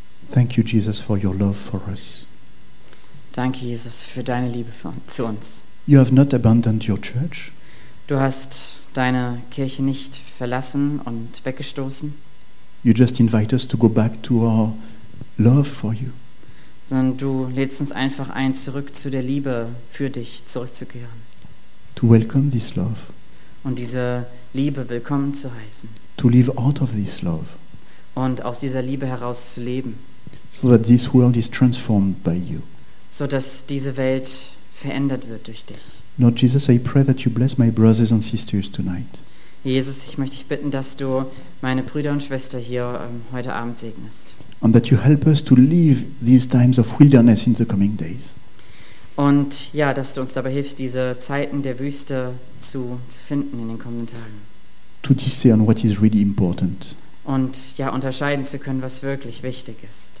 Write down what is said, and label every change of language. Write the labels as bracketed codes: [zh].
[en] Thank you, Jesus, for your love for us. [de] Danke, Jesus, für deine Liebe für, zu uns. [en] You have not abandoned your church. [de] Du hast deine Kirche nicht verlassen und weggestoßen. [en] You just invite us to go back to our love for you. [de] Sondern du lädst uns einfach ein, zurück zu der Liebe für dich zurückzukehren. [en] To welcome this love. [de] Und diese Liebe willkommen zu heißen. [en] To live out of this love. [de] Und aus dieser Liebe heraus zu leben. [en] So that this world is transformed by you. [de] So dass diese Welt verändert wird durch dich. [en] Lord Jesus, I pray that you bless my brothers and sisters tonight. [de] Jesus, ich möchte dich bitten, dass du meine Brüder und Schwestern hier heute Abend segnest. [en] And that you help us to leave these times of wilderness in the coming days. [de] Und ja, dass du uns dabei hilfst, diese Zeiten der Wüste zu finden in den kommenden Tagen. [en] To discern what is really important. [de] Und ja, unterscheiden zu können, was wirklich wichtig ist.